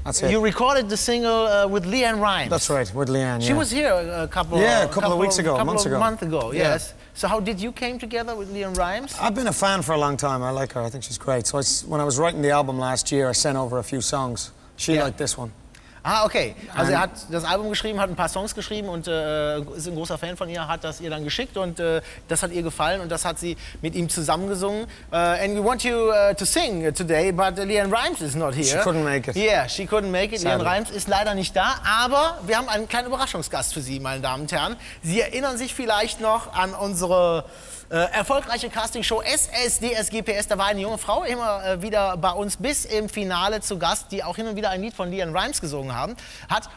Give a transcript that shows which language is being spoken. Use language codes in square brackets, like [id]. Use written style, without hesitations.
[en] You recorded the single with Leanne Rimes. That's right, with Leanne. She was here a couple of months ago. Yes. So how did you came together with Leanne Rimes? I've been a fan for a long time. I like her. I think she's great. So when I was writing the album last year, I sent over a few songs. She liked this one. Ah, okay. [de] Also er hat das Album geschrieben, hat ein paar Songs geschrieben und ist ein großer Fan von ihr, hat das ihr dann geschickt und das hat ihr gefallen und das hat sie mit ihm zusammengesungen. [en] And we want you to sing today, but Leanne Rimes is not here. She couldn't make it. Yeah, she couldn't make it. Sadly. [de] Leanne Rimes ist leider nicht da, aber wir haben einen kleinen Überraschungsgast für Sie, meine Damen und Herren. Sie erinnern sich vielleicht noch an unsere erfolgreiche Castingshow SSDSGPS. Da war eine junge Frau immer wieder bei uns bis im Finale zu Gast, die auch hin und wieder ein Lied von Leanne Rimes gesungen hat.